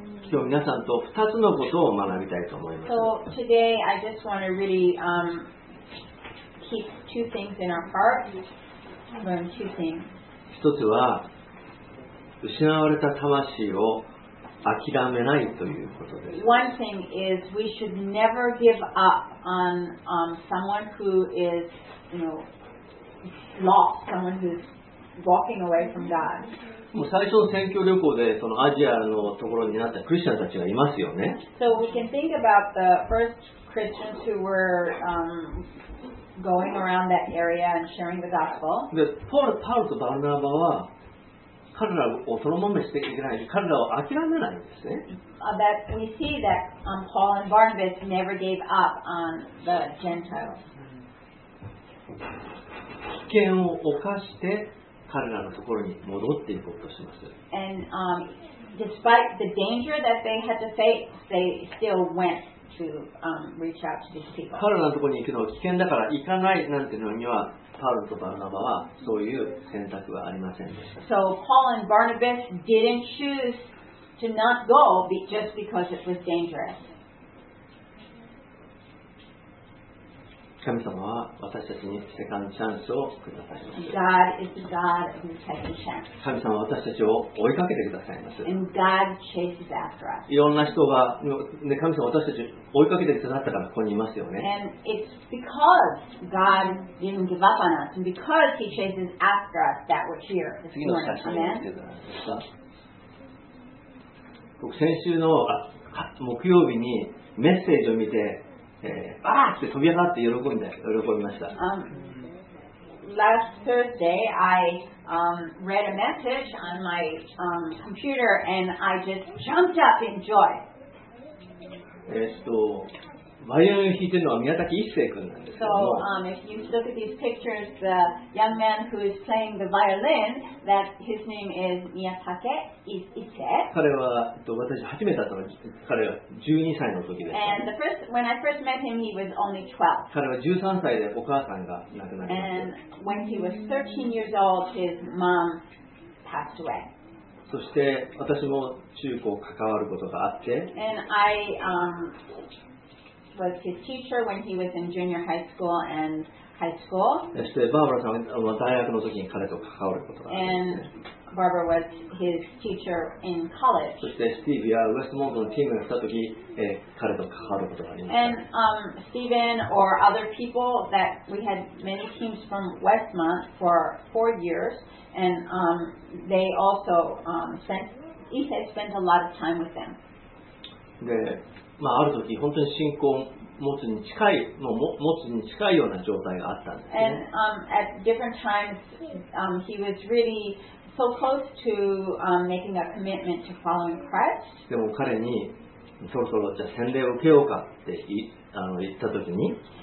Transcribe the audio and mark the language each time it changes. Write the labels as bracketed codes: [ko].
[ja] 今日皆さんと2つのことを学びたいと思います。 [en] So today I just want to really keep two things in our heart. Learn two things. [ja] 1つは失われた魂を諦めないということです。 [en] One thing is we should never give up on someone who is, you know, lost, someone who's walking away from God. [ja] もう最初の宣教旅行でそのアジアのところになったクリスチャンたちがいますよね。 [en] So we can think about the first Christians who were going around that area and sharing the gospel. [ja] で、パウルとバルナバは彼らをそのまましていけない、彼らを諦めないんですね。 [en] That we see that Paul and Barnabas never gave up on the Gentiles. [ja] 危険を犯して彼らのところに戻っていこうとします。 [en] And despite the danger that they had to face, they still went to reach out to these people. [ja] 彼らのところに行くのは危険だから行かないなんていうのには、パウロとバルナバはそういう選択はありませんでした。 [en] So Paul and Barnabas didn't choose to not go just because it was dangerous. [ja] 神様は私たちにセカンドチャンスをくださいます。 [en] God is the God of the second chance. [ja] 神様は私たちを追いかけてくださいます。 [en] And God chases after us. [ja] いろんな人が、ね、神様は私たち追いかけてくださったからここにいますよね。 [en] And it's because God didn't give up on us, and because He chases after us that we're here this morning. [ja] Amen. 僕先週の木曜日にメッセージを見て、って飛び上がって喜びました。 [en] Last Thursday, I read a message on my computer, and I just jumped up in joy. [ja] バイオリン弾いてるのは宮崎一生くんなんですけども。 [en] So, if you look at these pictures, the young man who is playing the violin, that his name is Miyatake Ise. [ja] 彼は、私初めて会ったのは、彼は12歳の時です、ね。 [en] And the first, when I first met him, he was only 12. [ja] 彼は13歳でお母さんが亡くなりました。 [en] And when he was 13 years old, his mom passed away. [ja] そして私も中高関わることがあって、 [en] And I was his teacher when he was in junior high school and high school. [ja] そしてバーバラさんは大学の時に彼と関わることがあって、 [en] And Barbara was his teacher in college. [ja] そしてスティーブやウェストモンドのチームに来た時、彼と関わることがありました。 [en] And Stephen or other people that we had many teams from Westmont for 4 years. And they also spent a lot of time with them. [ja] で、まあある時本当に信仰を持つに近い、もう持つに近いような状態があったんですね。 [en] And at different times, he was really so close to making a commitment to following Christ. [ja] でも彼にそろそろじゃあ洗礼を受けようかって言った時に、